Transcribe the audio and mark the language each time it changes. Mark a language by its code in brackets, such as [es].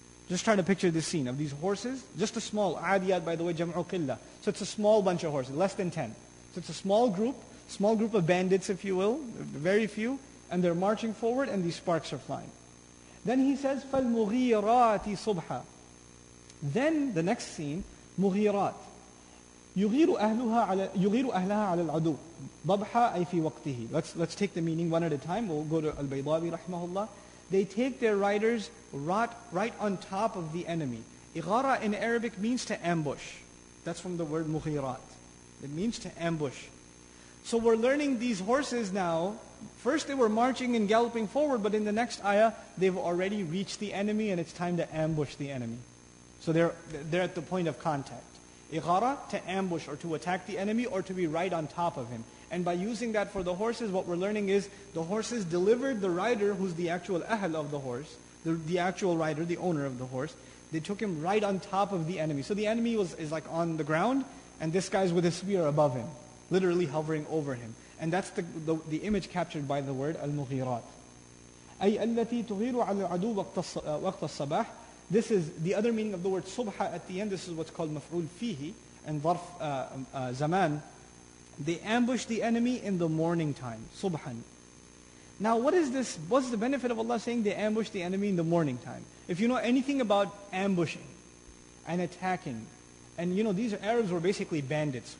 [en] Just try to picture this scene of these horses, just a small, Adiyat by the way, jam'u qilla. So it's a small bunch of horses, less than 10. So it's a small group of bandits, if you will, very few, and they're marching forward and these sparks are flying. [ar] Then he says, فَالْمُغِيرَاتِ صُبْحًا. Then the next scene, مغيرات يغير أهلها على العدو ضبحا أي في وقته. [en] Let's take the meaning one at a time. We'll go to Al-Baydawi [ar] رحمه الله. [en] They take their riders right on top of the enemy. Ighara in Arabic means to ambush. That's from the word mughirat. It means to ambush. So we're learning these horses now. First they were marching and galloping forward, but in the next ayah, they've already reached the enemy and it's time to ambush the enemy. So they're at the point of contact. Ighara, to ambush or to attack the enemy or to be right on top of him. And by using that for the horses, what we're learning is the horses delivered the rider, who's the actual ahl of the horse, the actual rider, the owner of the horse, they took him right on top of the enemy. So the enemy is like on the ground, and this guy's with a spear above him, literally hovering over him. And that's the image captured by the word al-mughirat. [ar] أي التي تغير على العدو وقت الصباح. [en] This is the other meaning of the word subha at the end. This is what's called maf'ul fihi and dharf zaman. They ambush the enemy in the morning time, subhan. Now what is this? What's the benefit of Allah saying they ambush the enemy in the morning time? If you know anything about ambushing and attacking, and you know these Arabs were basically bandits.